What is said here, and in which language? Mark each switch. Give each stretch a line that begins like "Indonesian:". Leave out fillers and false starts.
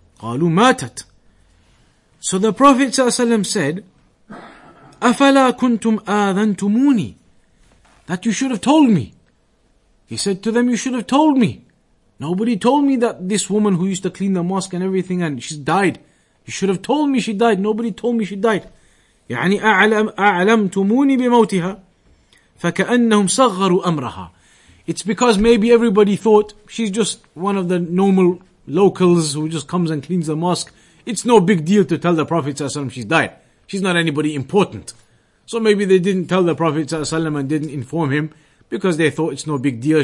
Arabic: قَالُوا مَاتَتْ.
English: So the Prophet sallallahu alayhi wa sallam said,
Arabic: أَفَلَا كُنْتُمْ آذَنْتُمُونِي.
English: That you should have told me. He said to them, you should have told me. Nobody told me that this woman who used to clean the mosque and everything, and she's died. You should have told me she died. Nobody told me she died.
Arabic: يعني أعلمتموني بموتها فكأنهم صغروا أمرها.
English: It's because maybe everybody thought she's just one of the normal locals who just comes and cleans the mosque. It's no big deal to tell the Prophet ﷺ she's died. She's not anybody important. So maybe they didn't tell the Prophet ﷺ and didn't inform him because they thought it's no big deal.